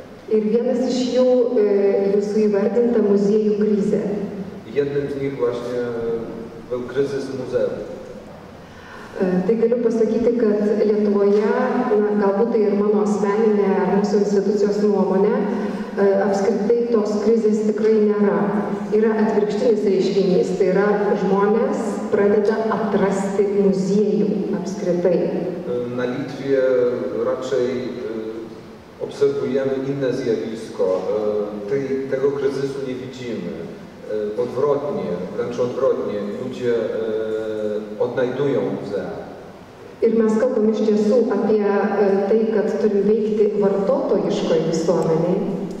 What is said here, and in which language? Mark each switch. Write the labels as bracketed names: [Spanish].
[Lithuanian] Ir vienas iš jų jūsų įvardinta muziejų krizė. Jednym z nich właśnie był kryzys muzeum. Tai galiu pasakyti, kad Lietuvoje, na, galbūt tai ir mano asmeninė ar mūsų institucijos nuomonė, apskritai tos krizės tikrai nėra. Yra atvirkštinis reiškinys, tai yra žmonės pradeda atrasti muziejų apskritai. [Polish] Na Litvė raczej obserwujemy inne zjawisko, tego kryzysu nie widzimy. Odwrotnie, wręcz odwrotnie, ludzie odnajdują muzea. [Lithuanian] Ir mes kalbam iš tiesų apie tai, kad turi veikti vartotojiškoj visuomenėj.